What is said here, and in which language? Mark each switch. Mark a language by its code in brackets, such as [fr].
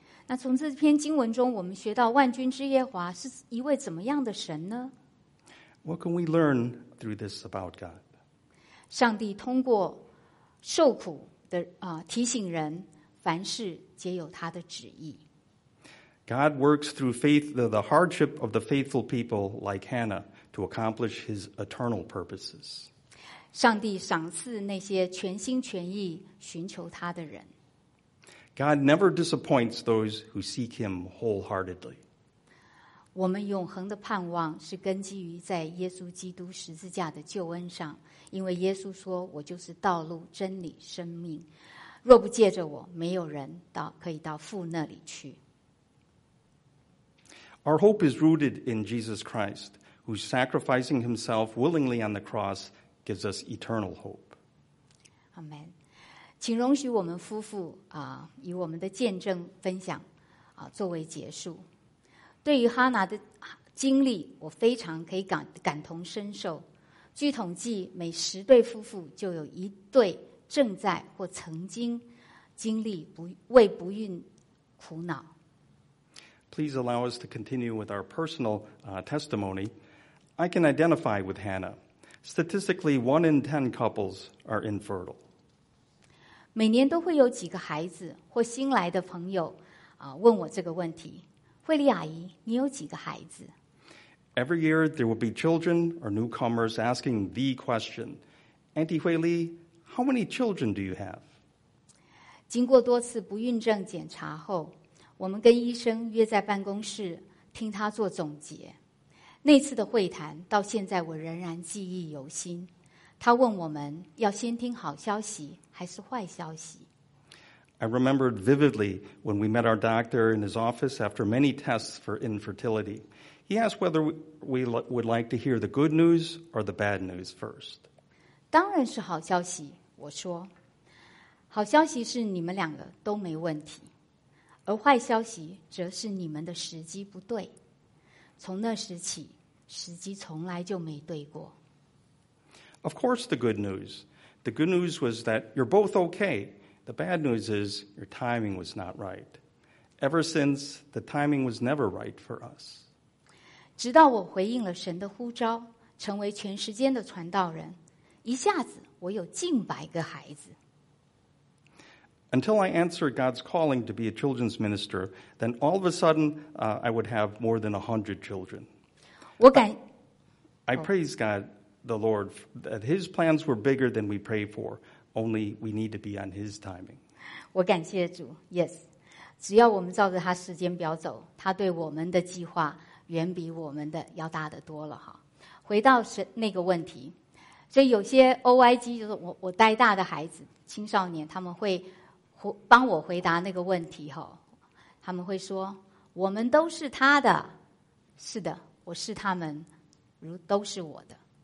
[zh] 那从这篇经文中我们学到万军之耶和华是一位怎么样的神呢？ [en] What can we learn through this about God? [zh] 上帝通过受苦的提醒人，凡事皆有他的旨意。 [en] God works through faith the hardship of the faithful people like Hannah to accomplish His eternal purposes. [zh] 上帝赏赐那些全心全意寻求他的人。 [en] God never disappoints those who seek Him wholeheartedly. [zh] 我们永恒的盼望是根基于在耶稣基督十字架的救恩上。因为耶稣说，我就是道路、真理、生命，若不借着我，没有人可以到父那里去。 [en] Our hope is rooted in Jesus Christ, who sacrificing himself willingly on the cross gives us eternal hope. Amen. [zh] 请容许我们夫妇、以我们的见证分享、作为结束。对于哈拿的经历，我非常可以 感同身受。据统计，每十对夫妇就有一对正在或曾经经历为不孕苦恼。 [en] Please allow us to continue with our personal testimony. I can identify with Hannah. Statistically, 1 in 10 couples are infertile. [zh] 每年都会有几个孩子或新来的朋友、问我这个问题。惠丽阿姨，你有几个孩子？ [en] Every year, there will be children or newcomers asking the question. Auntie 惠丽， how many children do you have? [zh] 经过多次不孕症检查后，我们跟医生约在办公室听他做总结。那次的会谈到现在我仍然记忆犹新。他问我们要先听好消息还是坏消息。 [en] I remembered vividly when we met our doctor in his office after many tests for infertility. He asked whether we would like to hear the good news or the bad news first. [zh] 当然是好消息，我说。好消息是你们两个都没问题。而坏消息则是你们的时机不对。从那时起，时机从来就没对过。 [en] Of course, the good news. The good news was that you're both okay. The bad news is your timing was not right. Ever since, the timing was never right for us. [zh] 直到我回应了神的呼召，成为全时间的传道人，一下子我有近百个孩子。 [en] Until I answered God's calling to be a children's minister, then all of a sudden, I would have more than 100 children. I praise God, the Lord, that His plans were bigger than we pray for, only we need to be on His timing. [zh] 我感谢主 yes. 只要我们照着他时间表走，他对我们的计划远比我们的要大得多了哈。回到那个问题，所以有些 OIG 就是我带大的孩子青少年，他们会帮我回答那个问题，他们会说我们都是他的，是的，我是他们，都是我的。